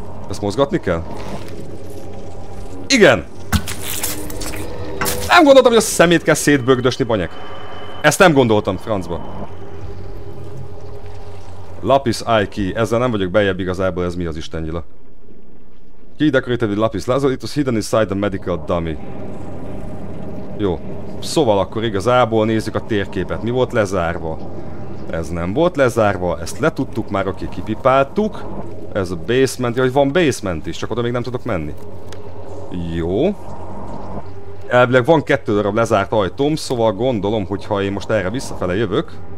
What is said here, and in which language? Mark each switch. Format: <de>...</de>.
<hu>Ezt mozgatni kell? Igen! Nem gondoltam, hogy a szemét kell szétbögdösni, banyek. Ezt nem gondoltam, francba.</hu> <en>Lapis eye key.</en> <hu>Ezzel nem vagyok beljebb igazából, ez mi az istennyila.</hu> <en>Key decorated with lapis lazuli, it was hidden inside the medical dummy.</en> <hu>Jó. Szóval akkor igazából nézzük a térképet. Mi volt lezárva? Ez nem volt lezárva, ezt letudtuk már, aki kipipáltuk. Ez a basement, hogy van basement is, csak oda még nem tudok menni. Jó. Elvileg van kettő darab lezárt ajtóm, szóval gondolom, hogy ha én most erre visszafele jövök.</hu>